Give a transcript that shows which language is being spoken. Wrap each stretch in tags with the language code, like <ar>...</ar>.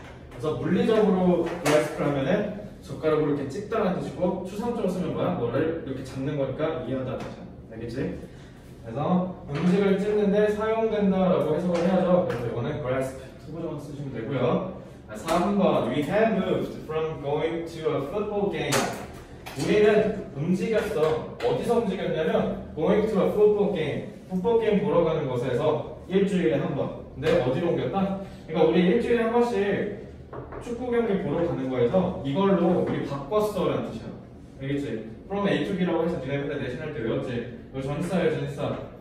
<ko>그래서 물리적으로 grasp라면 젓가락으로 이렇게 찍다라는 뜻이고 추상적으로 쓰면 뭐야? 뭐를 이렇게 잡는 거니까 이해한다는 뜻이야. 알겠지? 그래서 음식을 찍는데 사용된다라고 해석을 해야죠. 그래서 요거는 grasp 투부정 쓰시면 되고요.</ko> <en>3번, we have moved from going to a football game.</en> <ko>우리는 움직였어. 어디서 움직였냐면</ko> <en>going to a football game.</en> <ko>풋볼 게임 보러 가는 곳에서 일주일에 한 번. 근데 어디로 옮겼다? 그러니까 우리 일주일에 한 번씩 축구 경기 보러 가는 거에서 이걸로 우리 바꿨어라는 뜻이야. 알겠지? from A to B라고 해서 니네 그때 내신할 때 외웠지? 이거 전사예요, 전사.</ko>